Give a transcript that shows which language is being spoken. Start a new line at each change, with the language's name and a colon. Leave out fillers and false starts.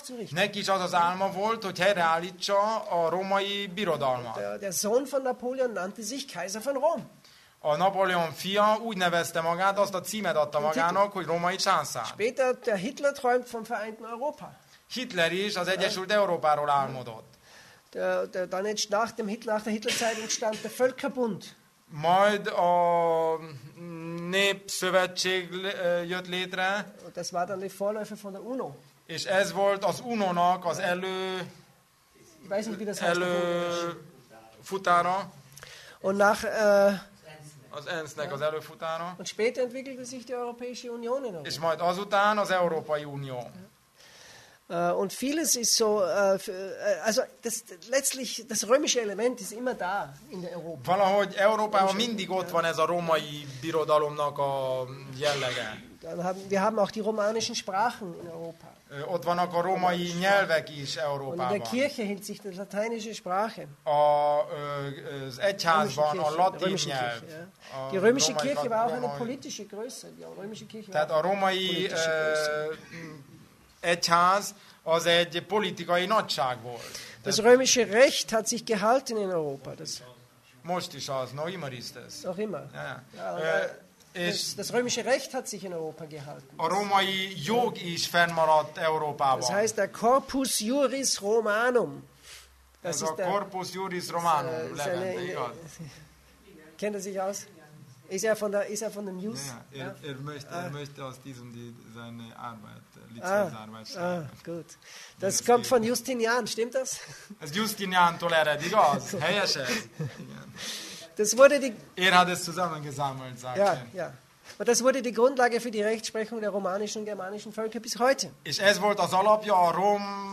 Hungarian: Neki is az az álma volt, hogy helyreállítsa a római birodalmat.
German: Der Sohn von Napoleon nannte sich Kaiser von Rom.
Hungarian: A Napóleon fia úgy nevezte magát, azt a címet adta magának, hogy római császár.
German: Später der Hitler träumt vom vereinten Europa.
Hungarian: Hitler is az Egyesült Európáról álmodott.
German: Nach der Hitlerzeit entstand der Völkerbund.
Hungarian: Majd a népszövetség jött létre.
German: Das war dann die Vorläufer von der UNO.
Hungarian: És ez volt az UNO-nak az előfutára.
German: Und nach
Hungarian: az ENSZ-nek az előfutára.
German: Und später entwickelte sich die Europäische Union in Europa.
Hungarian: És majd azután az Európai Unió.
German: Und vieles ist so, also das letztlich das römische Element ist immer da in der Europa.
Hungarian: Valahogy Európában mindig ott van ez a római birodalomnak a jellege.
German: Wir haben auch die romanischen Sprachen in Europa.
Hungarian: Ott vannak a római nyelvek is Európában.
German: Und in der Kirche hielt sich die lateinische Sprache.
Hungarian: Az egyházban a latin nyelv.
German: Die römische Kirche war auch eine politische Größe.
Hungarian: Tehát a római egyház az egy politikai nagyság volt.
German: Das römische Recht hat sich gehalten in Europa.
Hungarian: Most is az,
German: noch immer ist es. Noch immer. Ja. Das römische Recht hat sich in Europa gehalten.
Hungarian: A római jog is fennmaradt Európában.
German: Das heißt, der Corpus Juris Romanum. Das ist a Corpus Juris Romanum. Kennt er sich aus? Ist er von dem Jus? Er möchte aus diesem seine Arbeit, Lizenzarbeit schreiben. Ah, gut. Das kommt von Justinian, stimmt das?
Hungarian: Ez Justiniantól ered, igaz? Helyes ez?
German: Das wurde die... Er hat es zusammengesammelt, sagt er. Ja, ja. Aber das wurde die Grundlage für die Rechtsprechung der romanischen und germanischen Völker bis heute.
Hungarian: És ez volt az alapja a Rom...